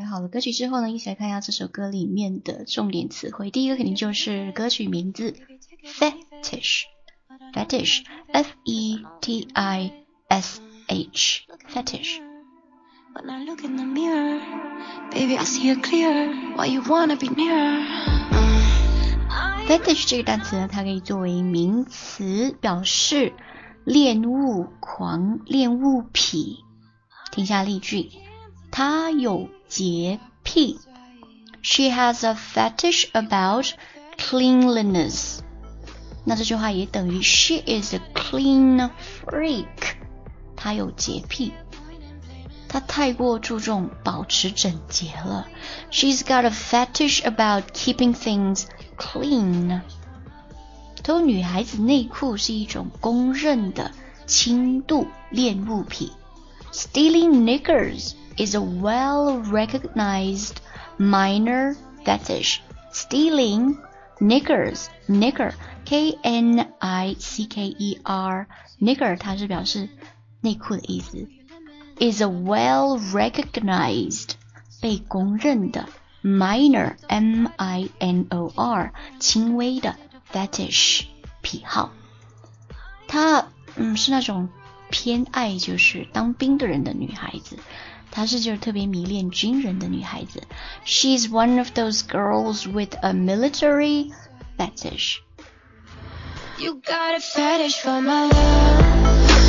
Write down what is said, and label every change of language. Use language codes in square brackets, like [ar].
[zh] 歌曲之后呢，一起来看一下这首歌里面的重点词汇。第一个肯定就是歌曲名字 Fetish F-E-T-I-S-H Fetish. [en] When I look in the mirror, baby, I see it clear. Why you wanna be near? [zh] Fetish 这个单词呢，它可以作为名词，表示恋物狂、恋物癖。听一下例句，他有洁癖。P. [en] She has a fetish about cleanliness. [zh] 那这句话也等于 [en] She is a clean freak. [zh] 他有洁癖，他太过注重保持整洁了。 [en] She's got a fetish about keeping things clean. [zh] 偷女孩子内裤是一种公认的轻度恋物癖。 [en] Stealing knickers is a well-recognized minor fetish. Stealing knickers, knicker, K-N-I-C-K-E-R, knicker [zh] 它是表示内裤的意思。 [en] Is a well-recognized, 被公认的 minor, M-I-N-O-R, 轻微的 fetish, 癖好。 [zh] 她是那种偏爱就是当兵的人的女孩子，她是就是特别迷恋军人的女孩子。 [en] She's one of those girls with a military fetish. You got a fetish for my love.